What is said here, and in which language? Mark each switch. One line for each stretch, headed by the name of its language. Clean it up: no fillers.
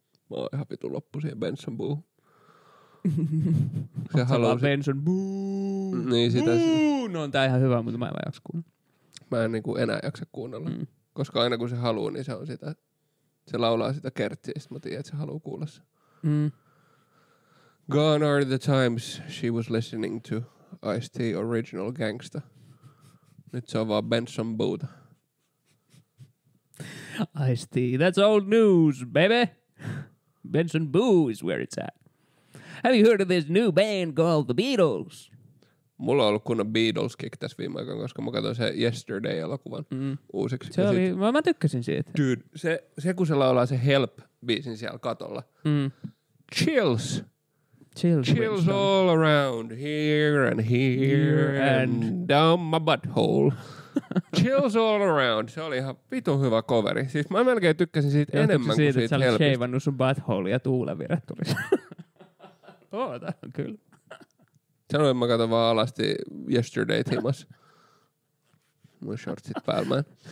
Finnish: Mä oon ihan vitun loppu siihen Benson Boo. Se haluaa Benson Boo. Niin sitä. Boo! No on tää ihan hyvä, mutta mä en vaan jaksa kuunnella. Mä en niinku enää jaksa kuunnella. Mm. Koska aina kun se haluaa, niin se on sitä. Se laulaa sitä kertsiä, sit mä tiedän, että se haluaa kuulla se. Mm.
English: Gone are the times she was listening to Ice-T Original Gangsta.
Finnish: Nyt se on vaan Benson Boota.
English: Ice-T, that's old news, baby. Benson Boo is where it's at. Have you heard of this new band called The Beatles?
Finnish: Mulla on ollut kunnon Beatles-kick tässä viime aikoina, koska mä katsoin sen Yesterday-elokuvan uusiksi. Se oli, mä tykkäsin siitä. Dude, se kun se laulaa se Help-biisin siellä katolla.
English: Chills. Chills all around, here and here and down my butthole. Chills all around,
Finnish: se oli ihan vitun hyvä coveri. Siis mä melkein tykkäsin siitä enemmän kuin siitä Helpista. Sä olet shavannut sun butthole ja tuulevire tuli. Oh, tää on kyllä. Sanoin, mä katson vaan alasti Yesterday Timas. Mun shortsit päällään.